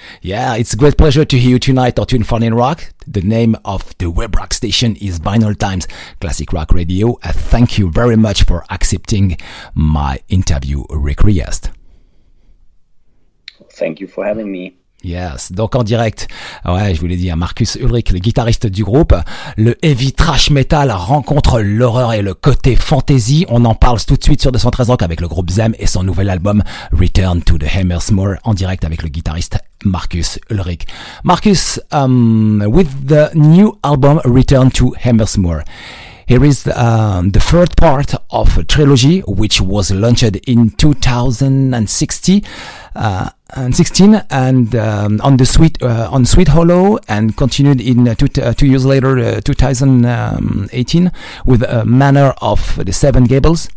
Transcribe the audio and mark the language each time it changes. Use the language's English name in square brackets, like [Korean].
[English] Yeah, it's a great pleasure to hear you tonight on Tune Fun in Rock. The name of the Web Rock station is Vinyl Times Classic Rock Radio. Thank you very much for accepting my interview request. Thank you for having me. [French] Yes, donc en direct, ouais, je vous l'ai dit, Marcus Ulrich, le guitariste du groupe, le heavy thrash metal rencontre l'horreur et le côté fantasy, on en parle tout de suite sur 213 Rock avec le groupe Them et son nouvel album Return to the Hammersmore, en direct avec le guitariste Marcus Ulrich. [English] Marcus, with the new album Return to Hammersmore, here is the third part of a trilogy which was launched in 2016 and on the Sweet on Sweet Hollow and continued in 2 years later 2018 with a Manor of the Seven Gables.